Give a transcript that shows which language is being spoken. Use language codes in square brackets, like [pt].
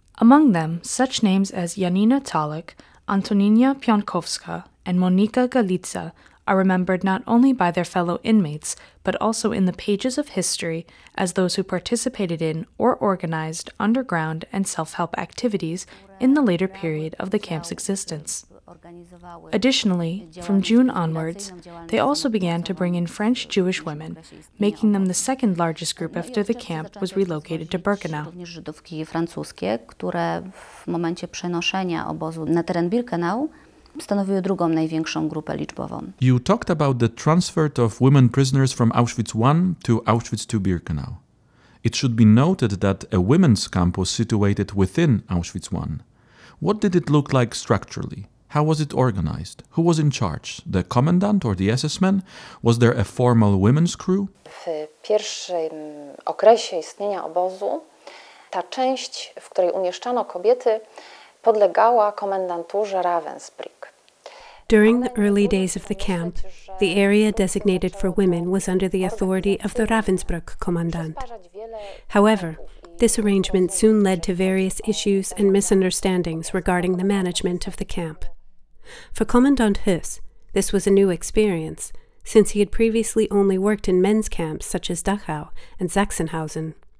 [en] Among them, such names as Janina Talik, Antonina Pionkowska, and Monika Galitsa are remembered not only by their fellow inmates, but also in the pages of history as those who participated in or organized underground and self-help activities in the later period of the camp's existence. Additionally, from June onwards, they also began to bring in French Jewish women, making them the second largest group after the camp was relocated to Birkenau. [pl] Żydówki francuskie, które w momencie przenoszenia obozu na teren Birkenau stanowiły drugą największą grupę liczbową. [en] You talked about the transfer of women prisoners from Auschwitz I to Auschwitz II Birkenau. It should be noted that a women's camp was situated within Auschwitz I. What did it look like structurally? How was it organized? Who was in charge? The commandant or the SS men? Was there a formal women's crew? [pl] W pierwszym okresie istnienia obozu ta część, w której umieszczano kobiety, podlegała komendanturze Ravensbrück. [en] During the early days of the camp, the area designated for women was under the authority of the Ravensbrück commandant. However, this arrangement soon led to various issues and misunderstandings regarding the management of the camp. For Commandant Huss, this was a new experience, since he had previously only worked in men's camps such as Dachau and Sachsenhausen.